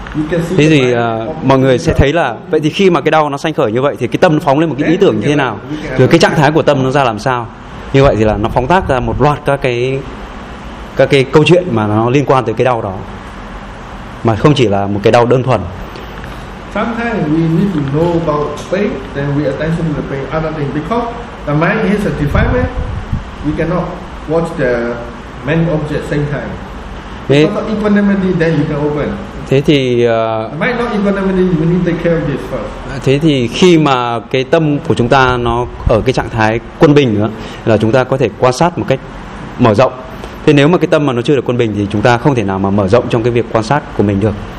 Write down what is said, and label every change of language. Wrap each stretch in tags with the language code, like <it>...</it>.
<vi>Thế thì mọi người sẽ thấy là vậy thì khi mà cái đau nó sanh khởi như vậy thì cái tâm nó phóng lên một cái ý tưởng như thế nào, rồi cái trạng thái của tâm nó ra làm sao. Như vậy thì là nó phóng tác ra một loạt các cái câu chuyện mà nó liên quan tới cái đau đó, mà không chỉ là một cái đau đơn thuần.</vi> <en>Sometimes we need to know about pain, then we attention to the pain other thing, because the mind is a defilement. We cannot watch the many objects same time. Thế, because of equanimity, then you can open.</en> <vi>Thế thì</vi> <en>mind not equanimity, we need to take care of this first.</en> <vi>Thế thì khi mà cái tâm của chúng ta nó ở cái trạng thái quân bình nữa, là chúng ta có thể quan sát một cách mở rộng. Thế nếu mà cái tâm mà nó chưa được quân bình thì chúng ta không thể nào mà mở rộng trong cái việc quan sát của mình được.</vi>